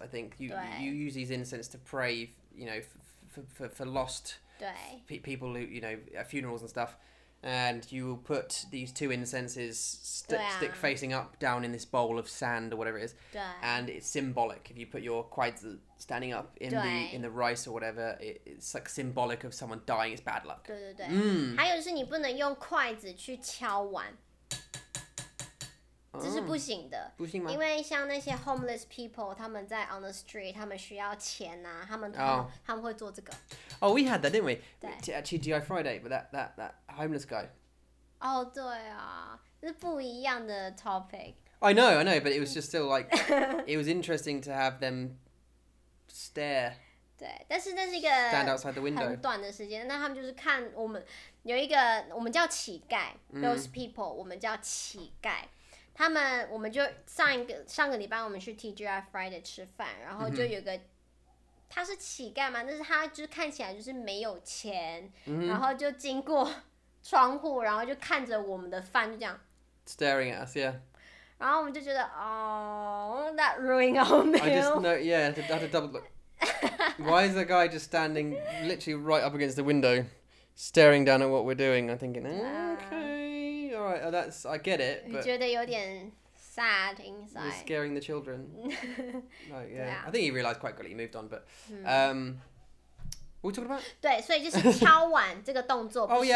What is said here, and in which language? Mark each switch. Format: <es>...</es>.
<en>I think you use these incense to pray, you know, for lost people who, you know, at funerals and stuff. And you will put these two incenses stick facing up down in this bowl of sand or whatever it is. And it's symbolic. If you put your 筷子 standing up in the rice or whatever, it's like symbolic of someone dying. It's bad luck.</en> <zh>对对对。还有就是你不能用筷子去敲碗。这是不行的。不行吗？因为像那些</zh> <en>homeless people,</en> <zh>他们在</zh> <en>on the street,</en> <zh>他们需要钱啊,他们会做这个。</zh> <en>Oh, we had that, didn't we? Actually, DI Friday, but that homeless guy.</en> <zh>Oh, 对啊, 这是不一样的 topic.</zh> <en>I know, but it was just still like, it was interesting to have them stare.</en> <zh>对, 但是那是一个</zh> <en>stand outside the window.</en> <zh>很短的时间,那他们就是看我们,有一个,我们叫乞丐,</zh> <en>those people,</en> <zh>我们叫乞丐。他们，我们就上个礼拜我们去 TGI Friday 吃饭，然后就有个，他是乞丐嘛，但是他就看起来就是没有钱，然后就经过窗户，然后就看着我们的饭，就这样</zh> <en>staring at us, yeah.</en> <zh>然后我们就觉得 ，</zh> <en>Oh, that ruined our meal. I just know, yeah, I had to double look. Why is the guy just standing literally right up against the window, staring down at what we're doing? I'm thinking, okay. Alright, oh, that's, I get it, but...</en> <zh>觉得有点</zh> <en>sad inside. You're scaring the children. No, yeah. I think he realised quite quickly, he moved on, but... what are we talking about?</en> <zh>对,所以就是敲碗这个动作不行。</zh>